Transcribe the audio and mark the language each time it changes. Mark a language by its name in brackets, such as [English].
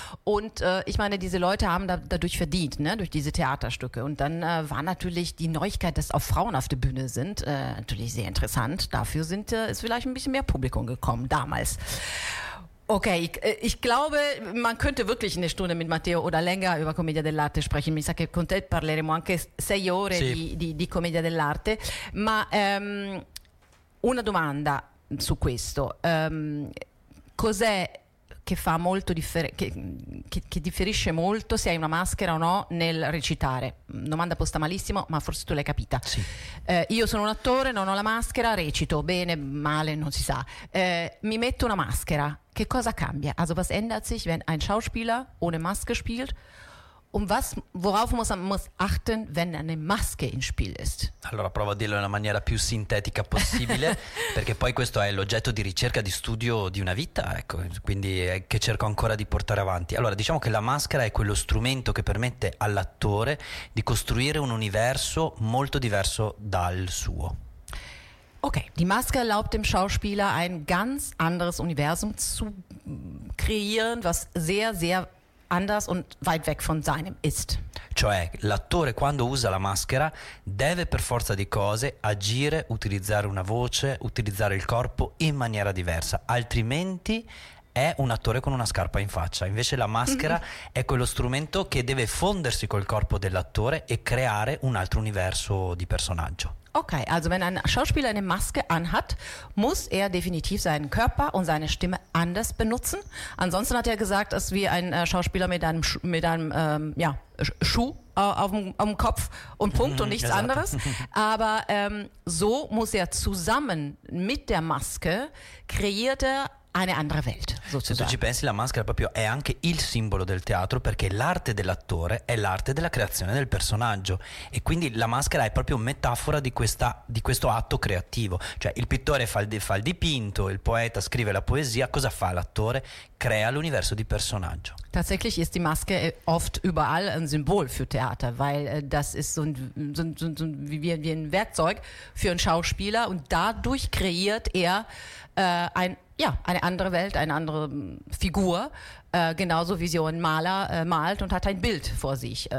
[German] Und ich meine, diese Leute haben dadurch verdient, ne, durch diese Theaterstücke. Und dann war natürlich die Neuigkeit, dass auch Frauen auf der Bühne sind, natürlich sehr interessant. Dafür ist vielleicht ein bisschen mehr Publikum gekommen damals. Okay, ich glaube, man könnte wirklich eine Stunde mit Matteo oder länger über Commedia dell'arte sprechen. Ich sage, [Italian] con te parleremo anche sei ore, sì, di Commedia dell'arte. Ma una domanda su questo, cos'è che fa molto che differisce molto, se hai una maschera o no, nel recitare? Domanda posta malissimo, ma forse tu l'hai capita. Sì. Io sono un attore, non ho la maschera, recito bene, male, non si sa. Mi metto una maschera, che cosa cambia? [German] Also was ändert sich, wenn ein Schauspieler ohne Maske spielt? Und was, worauf muss man achten, wenn eine Maske im Spiel ist? [Italian] Allora, provo a dirlo nella maniera più sintetica possibile, perché poi questo è l'oggetto di ricerca, di studio di una vita, ecco, quindi che cerco ancora di portare avanti. Allora, diciamo che la maschera è quello strumento che permette all'attore di costruire un universo molto diverso dal suo. [German] Okay, die Maske erlaubt dem Schauspieler ein ganz anderes Universum zu kreieren, was sehr, sehr anders und weit weg von seinem ist. [Italian] Cioè, l'attore quando usa la maschera deve per forza di cose agire, utilizzare una voce, utilizzare il corpo in maniera diversa, altrimenti è un attore con una scarpa in faccia. Invece la maschera è quello strumento che deve fondersi col corpo dell'attore e creare un altro universo di personaggio. [German] Okay, also wenn ein Schauspieler eine Maske anhat, muss er definitiv seinen Körper und seine Stimme anders benutzen. Ansonsten hat er gesagt, es ist wie ein Schauspieler mit einem Schuh auf dem Kopf und Punkt und nichts anderes. Aber so muss er zusammen mit der Maske kreiert er eine andere Welt, sozusagen. [Italian] Se tu ci pensi, la maschera proprio è anche il simbolo del teatro, perché l'arte dell'attore è l'arte della creazione del personaggio, e quindi la maschera è proprio metafora di questo atto creativo. Cioè il pittore fa il dipinto, il poeta scrive la poesia, cosa fa l'attore? Crea l'universo di personaggio. [German] Tatsächlich ist die Maske oft überall ein Symbol für Theater, weil das ist so wie ein Werkzeug für einen Schauspieler, und dadurch kreiert er eine andere Welt, eine andere Figur, genauso wie so ein Maler malt und hat ein Bild vor sich.